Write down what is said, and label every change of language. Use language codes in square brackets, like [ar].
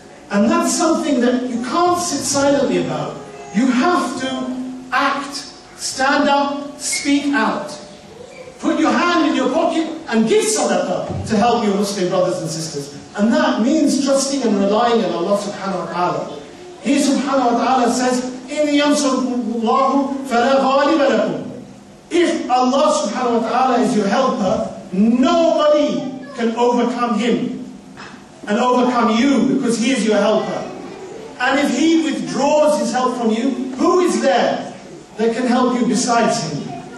[en] And that's something that you can't sit silently about. You have to act, stand up, speak out. Put your hand in your pocket and give sadaqah to help your Muslim brothers and sisters. And that means trusting and relying on Allah subhanahu wa ta'ala. [ar] He subhanahu wa ta'ala says, إِنْ يَنْصُرُكُمُ اللَّهُ فَلَا غَالِبَ لَكُمْ. [en] If Allah subhanahu wa ta'ala is your helper, nobody can overcome him and overcome you, because he is your helper. And if he withdraws his help from you, who is there that can help you besides him?